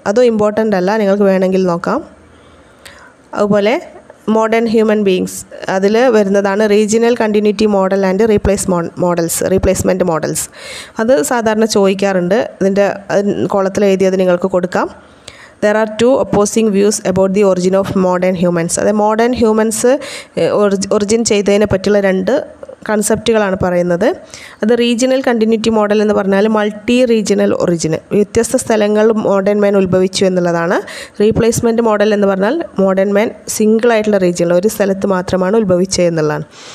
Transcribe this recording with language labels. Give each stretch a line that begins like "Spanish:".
Malayalam: അതും ഇമ്പോർട്ടൻ്റ് അല്ല, നിങ്ങൾക്ക് വേണമെങ്കിൽ നോക്കാം. അതുപോലെ മോഡേൺ ഹ്യൂമൻ ബീയിങ്സ്, അതിൽ വരുന്നതാണ് regional continuity model and replacement models. അത് സാധാരണ ചോദിക്കാറുണ്ട്, ഇതിൻ്റെ കോളത്തിൽ എഴുതി അത് നിങ്ങൾക്ക് കൊടുക്കാം.
English: there are two opposing views about the origin of modern humans.
Malayalam: അതായത് മോഡേൺ ഹ്യൂമൻസ് ഒറിജിൻ ചെയ്തതിനെ പറ്റിയുള്ള രണ്ട് കൺസെപ്റ്റുകളാണ് പറയുന്നത്. അത് റീജിയണൽ കണ്ടിന്യൂറ്റി മോഡൽ എന്ന് പറഞ്ഞാൽ മൾട്ടി റീജിയണൽ ഒറിജിന്, വ്യത്യസ്ത സ്ഥലങ്ങളിൽ മോഡേൺ മാൻ ഉത്ഭവിച്ചു എന്നുള്ളതാണ്. റീപ്ലേസ്മെൻറ്റ് മോഡൽ എന്ന് പറഞ്ഞാൽ മോഡേൺ മാൻ സിംഗിൾ ആയിട്ടുള്ള റീജിയൺ, ഒരു സ്ഥലത്ത് മാത്രമാണ് ഉത്ഭവിച്ചത് എന്നുള്ളതാണ്.